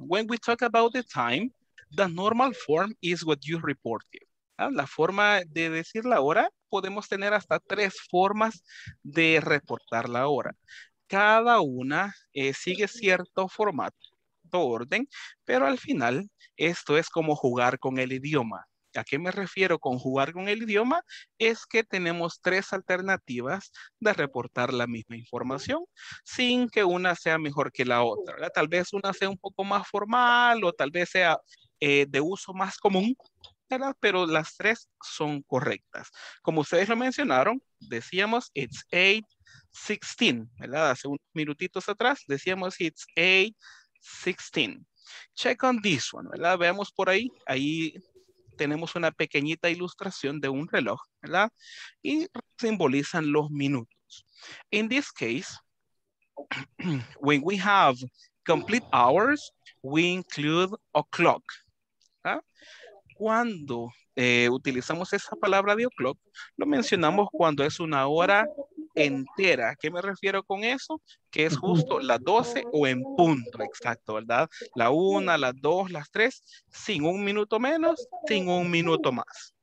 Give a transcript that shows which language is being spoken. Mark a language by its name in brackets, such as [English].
[English] When we talk about the time, the normal form is what you reported. [Spanish] La forma de decir la hora, podemos tener hasta tres formas de reportar la hora. Cada una sigue cierto formato, orden, pero al final esto es como jugar con el idioma. ¿A qué me refiero con jugar con el idioma? Es que tenemos tres alternativas de reportar la misma información sin que una sea mejor que la otra. Tal vez una sea un poco más formal o tal vez sea de uso más común, ¿verdad? Pero las tres son correctas. Como ustedes lo mencionaron, decíamos [English] it's 8:16, [Spanish] ¿verdad? Hace unos minutitos atrás decíamos [English] it's 8:16. Check on this one, ¿verdad? [Spanish] Veamos por ahí, ahí tenemos una pequeñita ilustración de un reloj, ¿verdad? Y simbolizan los minutos. [English] In this case, when we have complete hours, we include o'clock. [Spanish] Cuando utilizamos esa palabra de o'clock, lo mencionamos cuando es una hora entera. ¿Qué me refiero con eso? Que es justo las 12 o en punto, exacto, ¿verdad? La 1, las 2, las 3, sin un minuto menos, sin un minuto más.